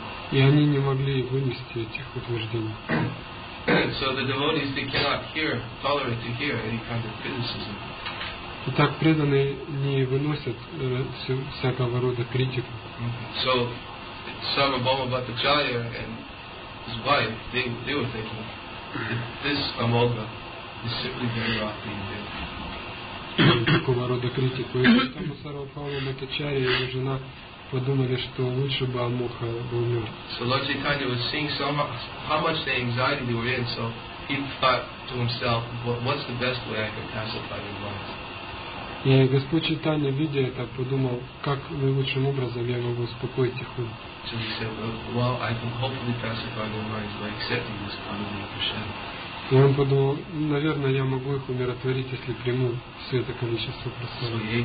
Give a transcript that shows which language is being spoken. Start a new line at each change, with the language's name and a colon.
Russian: И они не могли вынести этих утверждений.
English: So the devotees, they cannot hear, tolerate to hear any kind of criticism.
Russian: Итак, преданные не выносят всякого рода критику.
English: So, Sarvabhauma Bhattacharya and his wife, they were thinking that this amoga is simply better off being dead.
Russian: Такого рода критику. И поэтому Сарвабхаума Бхаттачарья и его жена подумали, что лучше бы Амоха был мертв.
English: So Lord Chaitanya was seeing so much, how much the anxiety they were in, so he thought to himself, what's the best way I can pacify their minds?
Russian: И Господь Чайтанья, видя это, подумал, как наилучшим образом я могу успокоить их ум.
English: So he said, well, I can hopefully pacify their minds by accepting this Kamala Prashadam.
Russian: И он подумал, наверное, я могу их умиротворить, если приму все это количество просад.